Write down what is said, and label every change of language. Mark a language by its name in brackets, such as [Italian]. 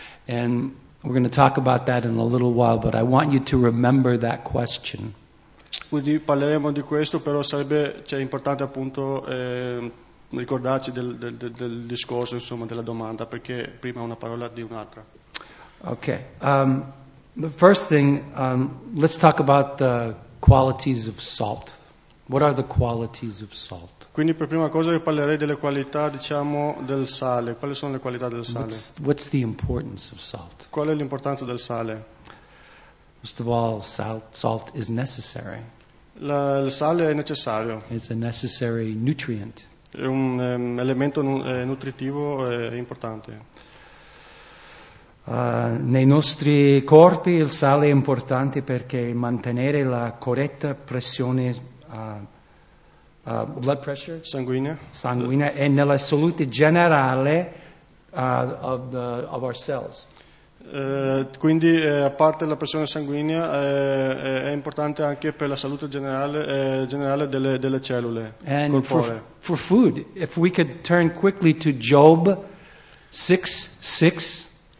[English] And we're going to talk about that in a little while, but I want you to remember that question. [Italian] Quindi parleremo di questo, però sarebbe, cioè, importante appunto ricordarci del discorso, insomma, della domanda, perché prima una parola di un'altra. [English] Okay. The first thing, let's talk about the qualities of salt. What are the qualities of salt? [Italian] Quindi per prima cosa io parlerei delle qualità, diciamo, del sale. Quali sono le qualità del sale? [English] What's the importance of salt? [Italian] Qual è l'importanza del sale? [English] First of all, salt is necessary. [Italian] Il sale è necessario. [English] It's a necessary nutrient. [Italian] È un elemento nutritivo importante. Nei nostri corpi il sale è importante perché mantenere la corretta pressione blood pressure sanguigna e nella salute generale of our cells. Quindi a parte la pressione sanguigna è importante anche per la salute generale delle cellule corporee. [English] For food, if we could turn quickly to Job 6:6.